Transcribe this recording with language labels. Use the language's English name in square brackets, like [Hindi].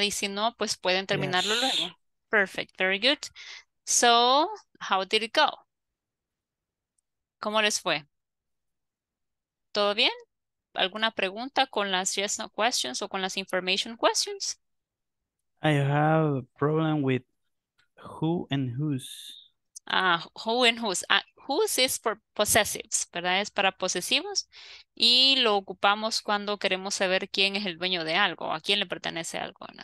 [Spanish] Y si no, pues pueden terminarlo luego. [English] Perfect, very good. So, how did it go? [Spanish] ¿Cómo les fue? ¿Todo bien? ¿Alguna pregunta con las yes no questions o con las information questions? [English] I have a problem with who and whose. Ah, who and whose. Ah, whose is for possessives, ¿verdad? [Spanish] Es para posesivos y lo ocupamos cuando queremos saber quién es el dueño de algo, a quién le pertenece algo, ¿no?